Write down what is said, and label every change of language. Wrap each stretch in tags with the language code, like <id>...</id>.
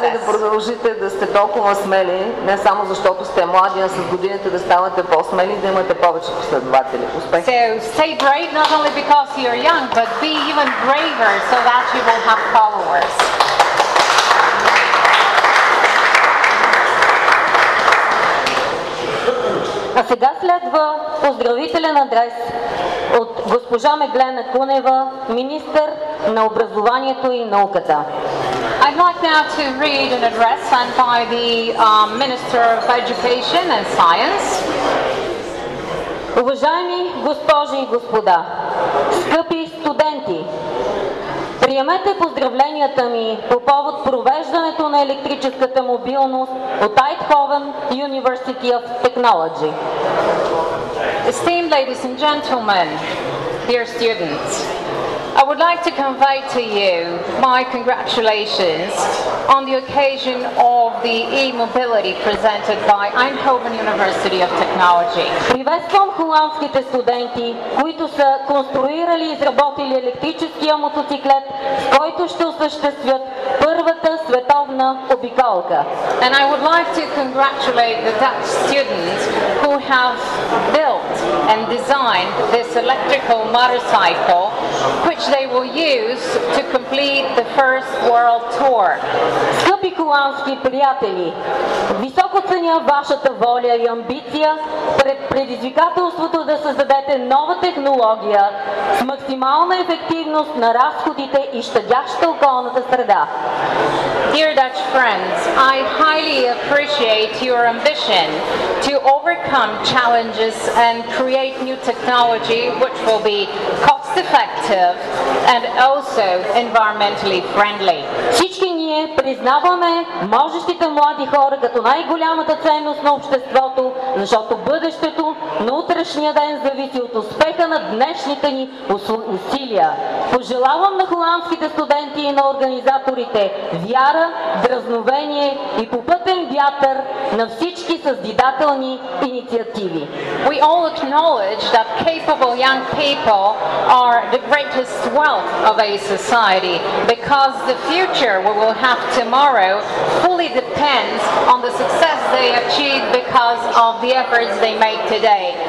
<bg>Ви да продължите да сте толкова смели, не само защото сте млади, а с годините да ставате по-смели, да имате повече последователи. Успех.</bg> <en>So stay brave not only because you're young, but be even braver so that you will have followers.</en> <bg>А сега следва поздравителен адрес от госпожа Меглена Кунева, министър на образованието и науката.</bg> <en>I'd like now to read an address sent by the Minister of Education and Science.</en> <bg>Уважаеми госпожи и господа, скъпи студенти, приемете поздравленията ми по повод провеждането на електрическата мобилност от Eindhoven University of Technology.</bg> <en>Esteemed ladies and gentlemen, dear students, I would like to convey to you my congratulations on the occasion of the e-mobility presented by Eindhoven University of Technology.</en> <bg>Приветствам холандските студенти, които са конструирали и изработили електрическия мотоциклет, с който ще осъществят първата световна обиколка.</bg> <en>And I would like to congratulate the Dutch students who have built and designed this electrical motorcycle, which they will use to complete the first world tour.</en> <bg>Скъпи холандски приятели, високо ценя вашата воля и амбиция пред предизвикателството да създадете нова технология с максимална ефективност на разходите и щадяща околната среда.</bg> <en>Dear Dutch friends, I highly appreciate your ambition to overcome challenges and create new technology which will be cost-effective and also environmentally friendly.</en> <bg>Всички ние признаваме можещите млади хора като най-голямата ценност на обществото, защото бъдещето на утрешния ден зависи от успеха на днешните ни усилия. Пожелавам на холандските студенти и на организаторите вяра, дръзновение и попътен вятър на всички създадителни инициативи.</bg> <en>We all acknowledge that capable young people are the greatest wealth of a society because the future we will have tomorrow fully depends on the success they achieve because of the efforts they make today.</en>